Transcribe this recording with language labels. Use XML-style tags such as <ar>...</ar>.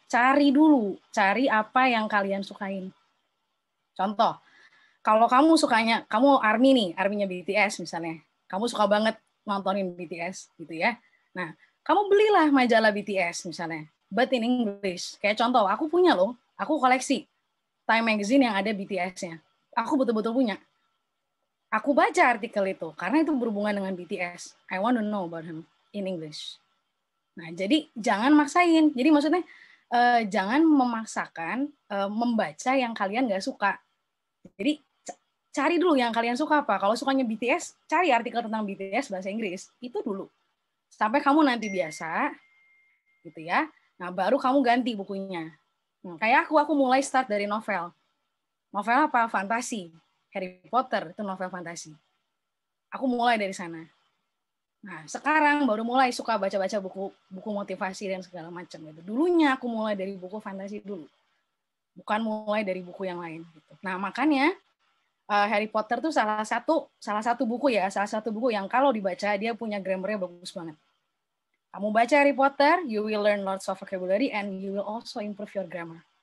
<id>Cari dulu, cari apa yang kalian sukain. Contoh, kalau kamu sukanya, kamu army nih, army-nya BTS misalnya, kamu suka banget nontonin BTS, gitu ya. Nah, kamu belilah majalah BTS misalnya,</id> <en>but in English.</en> <id>Kayak contoh, aku punya loh, aku koleksi Time Magazine yang ada BTS-nya. Aku betul-betul punya. Aku baca artikel itu, karena itu berhubungan dengan BTS.</id> <en>I want to know about him in English.</en> <id>Nah, jadi jangan maksain. Jadi maksudnya, jangan memaksakan membaca yang kalian nggak suka. Jadi cari dulu yang kalian suka apa. Kalau sukanya BTS, cari artikel tentang BTS bahasa Inggris. Itu dulu. Sampai kamu nanti biasa, gitu ya. Nah, baru kamu ganti bukunya. Nah, kayak aku mulai start dari novel. Novel apa? Fantasi. Harry Potter itu novel fantasi. Aku mulai dari sana. Nah, sekarang baru mulai suka baca-baca buku-buku motivasi dan segala macam gitu. Dulunya aku mulai dari buku fantasi dulu. Bukan mulai dari buku yang lain gitu. Nah, makanya Harry Potter tuh salah satu buku yang kalau dibaca dia punya grammar-nya bagus banget. Kamu baca</id> <en>Harry Potter, you will learn lots of vocabulary and you will also improve your grammar.</en>